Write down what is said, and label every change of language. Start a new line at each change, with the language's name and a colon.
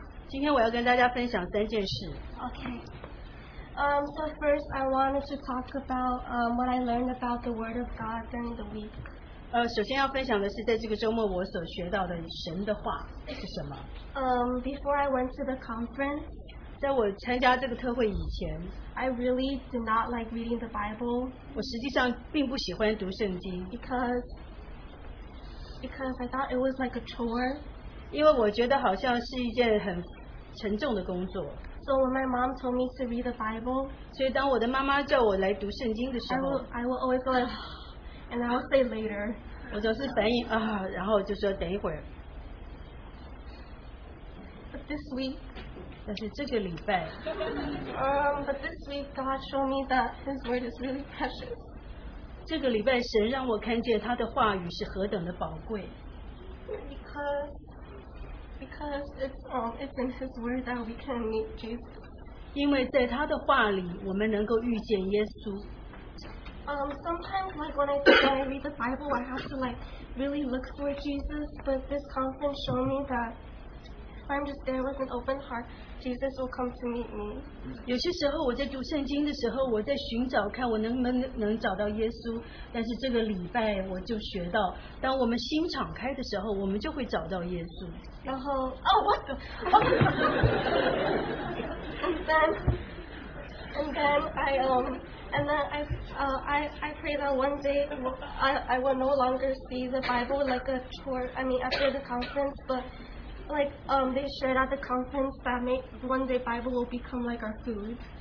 Chinese: 今天我要跟大家分享三件事.
English: Okay. So first, I wanted to talk about what I learned about the Word of God during the week.
Chinese: 首先要分享的是，在这个周末我所学到的神的话是什么？
English: Before I went to the conference,
Chinese: 在我参加这个特会以前，
English: I really did not like reading the Bible.
Chinese: 我实际上并不喜欢读圣经，
English: because I thought it was like a chore.
Chinese: 因为我觉得好像是一件很沉重的工作。
English: So when my mom told me to read the Bible,
Chinese: 所以当我的妈妈叫我来读圣经的时候，
English: I will always go like, and I will say later.
Chinese: 我总是反应，然后就说等一会儿。
English: But this week, God showed me that His word is really precious.
Chinese: 这个礼拜，神让我看见他的话语是何等的宝贵。
English: Because Because it's in His word that we can meet Jesus.
Chinese: 因为在他的话里，我们能够遇见耶稣。
English: Sometimes, like when I read the Bible, I have to like really look for Jesus. But this conference showed me that if I'm just there with an open heart, Jesus will come to meet me.
Chinese: 有些时候我在读圣经的时候，我在寻找看我能不能找到耶稣。但是这个礼拜我就学到，当我们心敞开的时候，我们就会找到耶稣。然后，哦，我，哦，
English: and then. And then I pray that one day I will no longer see the Bible like a chore. I mean, after the conference, but like they shared at the conference that one day Bible will become like our food.